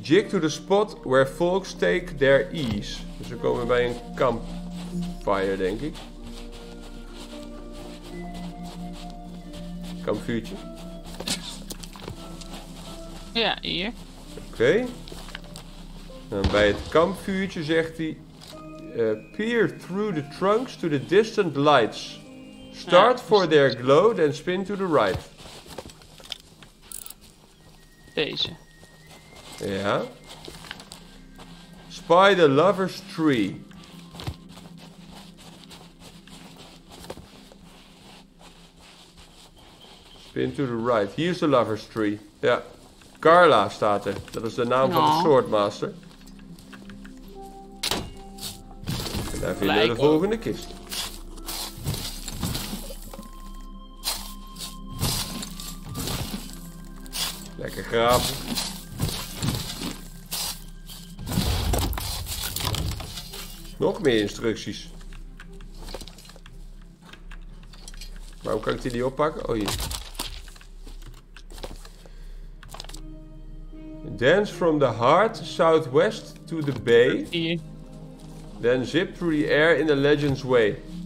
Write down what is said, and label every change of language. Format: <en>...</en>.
<en>Jig to the spot where folks take their ease.</en> <nl>Dus we komen bij een campfire, denk ik. kampvuurtje. Ja, hier. Oké. Okay. En bij het kampvuurtje zegt hij...</nl> <en>peer through the trunks to the distant lights. Start for their glow, then spin to the right.</en> <nl>Deze.</nl> <en>Ja. Spy the lover's tree. Spin to the right. Here's the lover's tree. Ja.</en> <nl>Carla staat er. Dat is de naam van de swordmaster. En daar vinden we de volgende kist. Lekker graven. Nog meer instructies. Waarom kan ik die niet oppakken? Oh hier.</nl> <en>Dance from the heart southwest to the bay. Then zip through the air in the legend's way.</en>